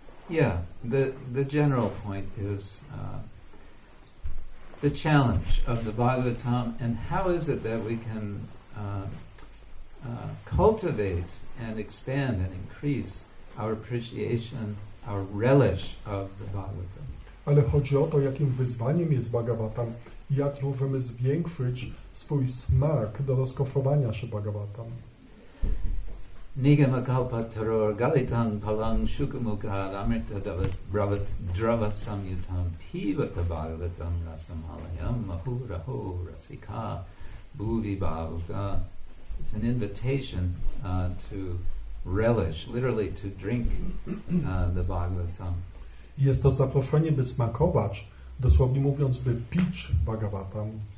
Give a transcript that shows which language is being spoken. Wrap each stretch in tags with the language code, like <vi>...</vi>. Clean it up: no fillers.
<en>Yeah, the general point is the challenge of the Bhagavatam and how is it that we can cultivate and expand and increase our appreciation, our relish of the Bhagavatam.</en> <pl>Ale chodzi o to, jakim wyzwaniem jest Bhagavatam i jak możemy zwiększyć swój smak do rozkoszowania się Bhagavatam.</pl> <sa>Nigamakalpa taror galitan palang shukamukha amrita dravat drava samyutam pivata bhagavatam rasamalayam mahuraho rasika bhuvi bhavuka.</sa> <en>It's an invitation to relish, literally to drink the Bhagavatam.</en> <pl>Jest to zaproszenie, by smakować, dosłownie mówiąc, by pić Bhagavatam.</pl>